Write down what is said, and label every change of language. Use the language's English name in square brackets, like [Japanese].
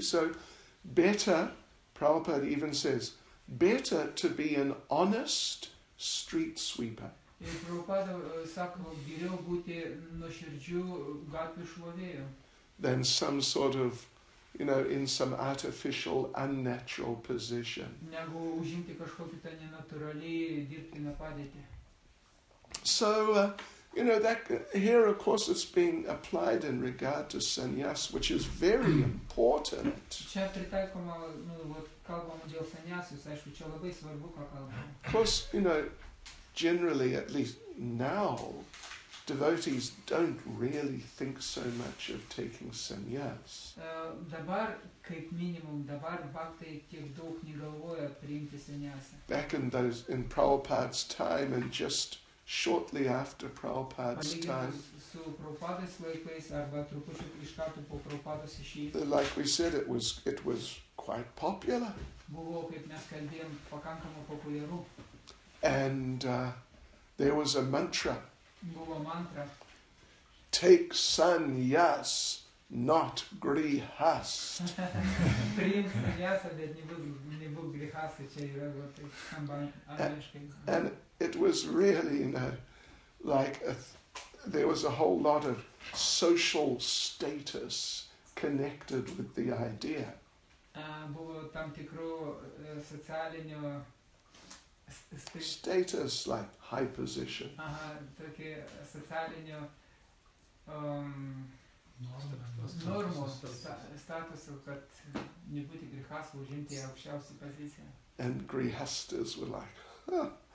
[English] So better, Prabhupada even says, better to be an honest street sweeper. [Lithuanian] Ir Prabhupada sako, geriau būti nuoširdžiu gatvių šlovėju. [English] Than some sort of, you know, in some artificial, unnatural position. [Lithuanian] Negu užimti kažkokį tą nenatūralį dirbtinę padėtį. [English] So, you know, that here, of course, it's being applied in regard to sannyas, which is very important. [Lithuanian] Čia pritaikoma, nu, vat, kalbama dėl sannyasis, aišku, čia labai svarbu, ką kalbama. [English] Of course, you know, generally, at least now, devotees don't really think so much of taking sannyas. [Lithuanian] Dabar, kaip minimum, dabar bhaktai tiek daug negalvoja priimti sannyasą. [English] Back in those, in Prabhupada's time, and just shortly after Prabhupada's time, [Lithuanian] su Prabhupada's laikais, arba trupučiu iš karto po Prabhupada's išėjimo, [English] like we said, it was quite popular. [Lithuanian] Buvo, kaip mes kalbėjom, pakankamo populiaru. [English] And there was a mantra. [Lithuanian] Buvo mantra. [English] Take sannyas, not grihast. [Lithuanian] Priimk sannyasą, bet nebūk grihast. Čia yra skamba angliškai. [English] And it was really, you know, like there was a whole lot of social status connected with the idea. [Lithuanian] Buvo tam tikrų socialinių [English] status, like high position. [Lithuanian] Tokie socialinio normos statuso, kad nebūti grihastu, užimti aukščiausią poziciją. [English] And grihastas were like,